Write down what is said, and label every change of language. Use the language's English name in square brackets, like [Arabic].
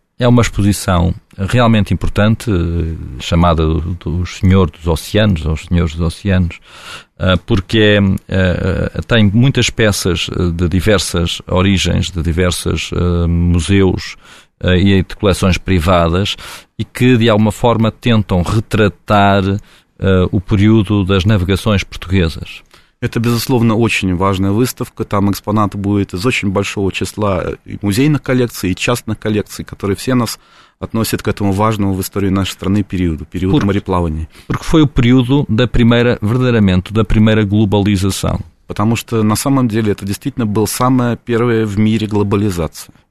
[Portuguese] É uma exposição realmente importante, chamada do Senhor dos Oceanos, ou Senhores dos Oceanos, porque tem muitas peças de diversas origens, de diversos museus e de coleções privadas, e que de alguma forma tentam retratar o período das navegações portuguesas. [Russian] Это, безусловно, очень важная выставка. Там экспонат будет из очень большого числа и музейных коллекций, и частных коллекций, которые все нас относят к этому важному в истории нашей страны периоду, периоду мореплавания. [Portuguese] Porque foi o período da primeira, verdadeiramente, da primeira globalização. [Russian] Потому что, на самом деле, это действительно была самая первая в мире глобализация.